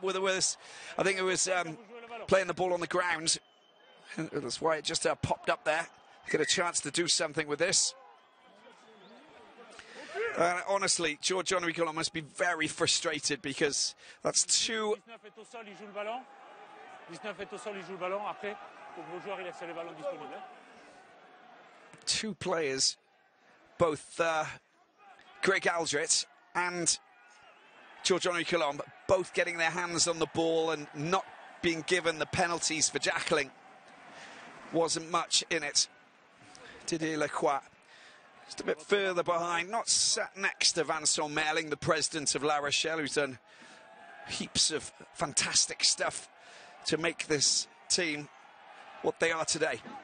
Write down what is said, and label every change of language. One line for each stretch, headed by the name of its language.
English: I think it was playing the ball on the ground. That's why it just popped up there. Get a chance to do something with this. Honestly, Giorgio Nicola must be very frustrated because that's two.
French: 19 est au sol, il joue le ballon. 19 est au sol, il joue le ballon. Après, au gros joueur, il a le ballon disponible.
English: Two players, both Greg Aldred and Giorgio Colombo, both getting their hands on the ball and not being given the penalties for jackling. Wasn't much in it. Didier Lacroix, just a bit further behind, not sat next to Vincent Merling, the president of La Rochelle, who's done heaps of fantastic stuff to make this team what they are today.